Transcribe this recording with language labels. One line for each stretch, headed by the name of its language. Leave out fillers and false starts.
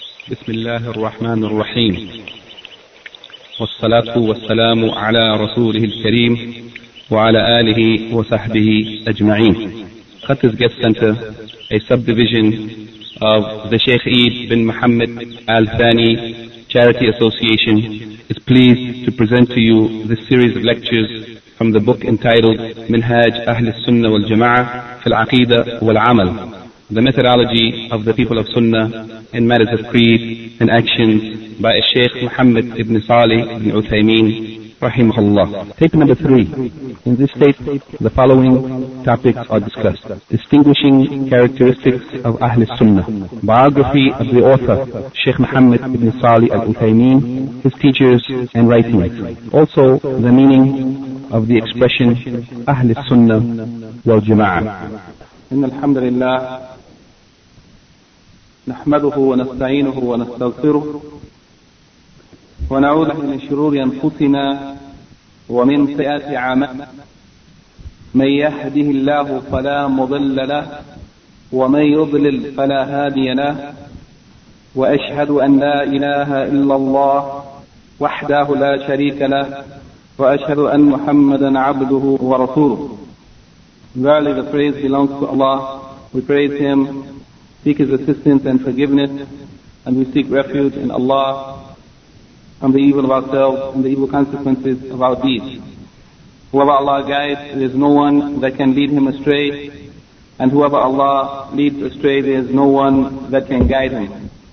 Arabic: بسم الله الرحمن الرحيم والصلاة والسلام على رسوله الكريم وعلى آله وصحبه أجمعين.
English: Khatas Guest Center, a subdivision of the Sheikh Eid bin Muhammad Al Thani Charity Association, is pleased to present to you this series of lectures from the book entitled Minhaj Ahl-us-Sunnah wal Jama'ah fil Aqeedah wal Amal, The Methodology of the People of Sunnah in Matters of Creed and Actions, by Sheikh Muhammad ibn Salih ibn Uthaymeen rahimahullah. Tape number 3. In this tape, the following topics are discussed: distinguishing characteristics of Ahl-us-Sunnah, biography of the author, Sheikh Muhammad ibn Salih al-Uthaymeen, his teachers and writings, also the meaning of the expression Ahl-us-Sunnah wal-Jama'ah.
Arabic: إن الحمد لله نحمده ونستعينه ونستغفره ونعوذ من شرور أنفسنا ومن سيئات أعمالنا، من يهده الله فلا مضل له ومن يضلل فلا هادي له، وأشهد أن لا إله إلا الله وحده لا شريك له، وأشهد أن محمدا عبده ورسوله.
English: Verily the praise belongs to Allah. We praise Him, seek His assistance and forgiveness, and we seek refuge in Allah from the evil of ourselves and the evil consequences of our deeds. Whoever Allah guides, there is no one that can lead him astray, and whoever Allah leads astray, there is no one that can guide him.